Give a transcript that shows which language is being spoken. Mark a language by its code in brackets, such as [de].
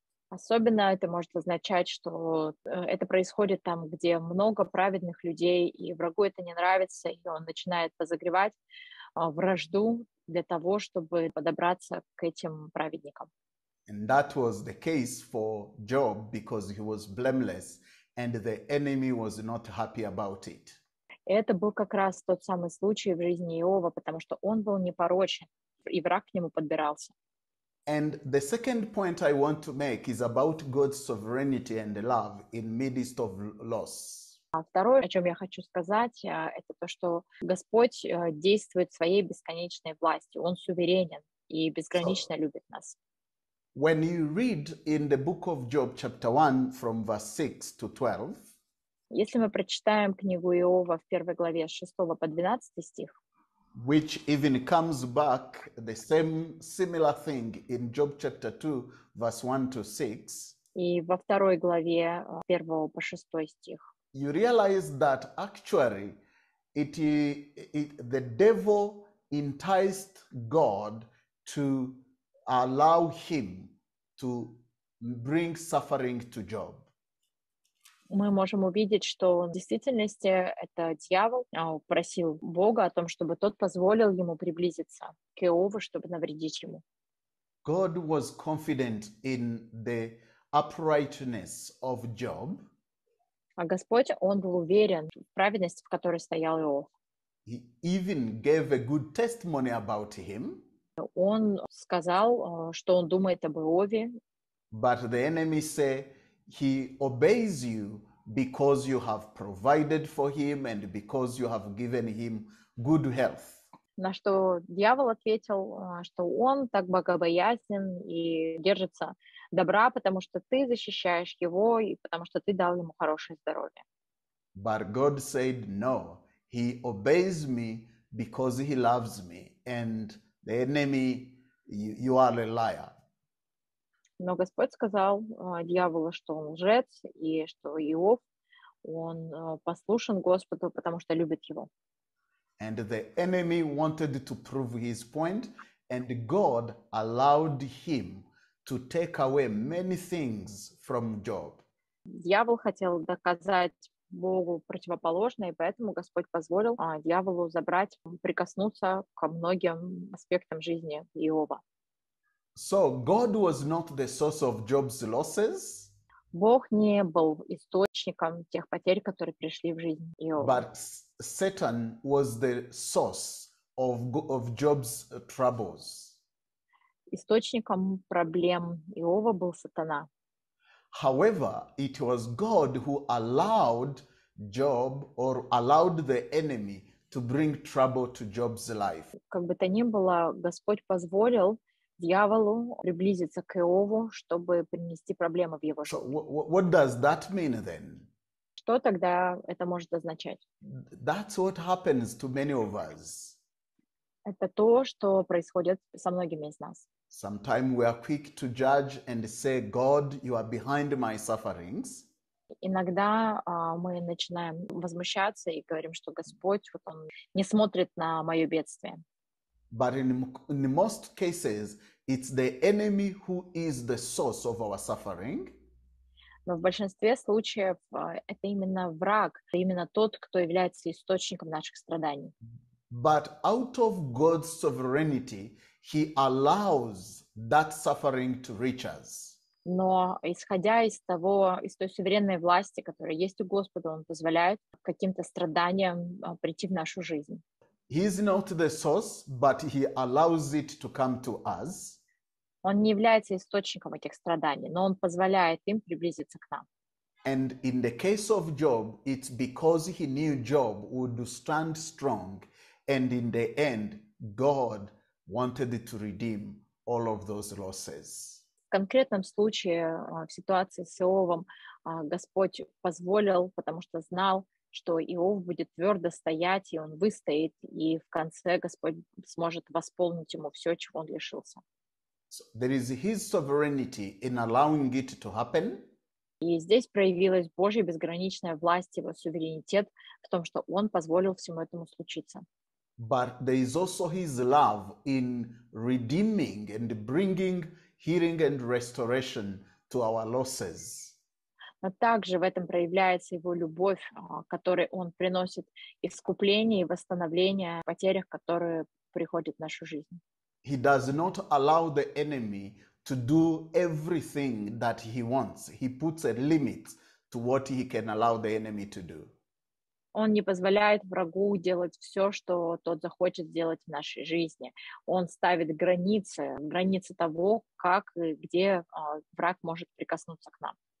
[ru] Особенно это может означать, что это происходит там, где много праведных людей, и врагу это не нравится, и он начинает разогревать вражду для того, чтобы подобраться к этим праведникам. [en] And that was the case for Job, because he was blameless, and the enemy was not happy about it. [ru] Это был как раз тот самый случай в жизни Иова, потому что он был непорочен, и враг к нему подбирался. [en] And the second point I want to make is about God's sovereignty and love in midst of loss. [ru] А второе, о чем я хочу сказать, это то, что Господь действует своей бесконечной властью. Он суверенен и безгранично любит нас. [en] When you read in the book of Job, chapter 1, from verse 6 to 12, [ru] если мы прочитаем книгу Иова в первой главе с 6 по 12 стих, [en] which even comes back the same similar thing in Job chapter 2 verse 1 to 6. [ru] И во второй главе 1 по 6 стих. [en] You realize that actually the devil enticed God to allow him to bring suffering to Job. [ru] Мы можем увидеть, что в действительности это дьявол просил Бога о том, чтобы тот позволил ему приблизиться к Иову, чтобы навредить ему. [en] God was confident in the uprightness of Job. [ru] А Господь, он был уверен в праведности, в которой стоял Иов. [en] He even gave a good testimony about him. [ru] Он сказал, что он думает об Иове. [en] But the enemy said, he obeys you because you have provided for him and because you have given him good health. [ru] На что дьявол ответил, что он так богобоязнен и держится добра, потому что ты защищаешь его и потому что ты дал ему хорошее здоровье. [en] But God said, no, he obeys me because he loves me, and the enemy, you are a liar. [ru] Но Господь сказал дьяволу, что он лжец, и что Иов, он послушен Господу, потому что любит его. [en] And the enemy wanted to prove his point, and God allowed him to take away many things from Job. [ru] Дьявол хотел доказать Богу противоположное, и поэтому Господь позволил дьяволу забрать, прикоснуться ко многим аспектам жизни Иова. [en] So God was not the source of Job's losses. [ru] Бог не был источником тех потерь, которые пришли в жизнь Иова. [en] But Satan was the source of Job's troubles. [ru] Источником проблем Иова был Сатана. [en] However, it was God who allowed Job or allowed the enemy to bring trouble to Job's life. [ru] Как бы то ни было, Господь позволил дьяволу приблизиться к Иову, чтобы принести проблемы в его жизнь. [en] So, what does that mean then? [ru] Что тогда это может означать? [en] That's what happens to many of us. [ru] Это то, что происходит со многими из нас. [en] Sometimes we are quick to judge and say, God, you are behind my sufferings. [ru] Иногда мы начинаем возмущаться и говорим, что Господь вот он не смотрит на мое бедствие. [en] But in most cases, it's the enemy who is the source of our suffering. [ru] Но в большинстве случаев это именно враг, это именно тот, кто является источником наших страданий. [en] But out of God's sovereignty, He allows that suffering to reach us. [ru] Но исходя из того, из той суверенной власти, которая есть у Господа, Он позволяет каким-то страданиям прийти в нашу жизнь. [en] He is not the source, but He allows it to come to us. [ru] Он не является источником этих страданий, но Он позволяет им приблизиться к нам. [en] And in the case of Job, it's because he knew Job would stand strong, and in the end, God wanted to redeem all of those losses. [ru] В конкретном случае, в ситуации с Иовом, Господь позволил, потому что знал, что Иов будет твердо стоять, и он выстоит, и в конце Господь сможет восполнить ему все, чего он лишился. [en] So there is his sovereignty in allowing it to happen. [ru] И здесь проявилась Божья безграничная власть, его суверенитет в том, что он позволил всему этому случиться. [en] But there is also his love in redeeming and bringing healing and restoration to our losses. [ru] Но также в этом проявляется его любовь, которой он приносит искупление и восстановление потерях, которые приходят в нашу жизнь. [en] He does not allow the enemy to do everything that he wants. He puts a limit to what he can allow the enemy to do. [ru] Он не позволяет врагу делать все, что тот захочет сделать в нашей жизни. Он ставит границы, границы того, как и где враг может прикоснуться к нам.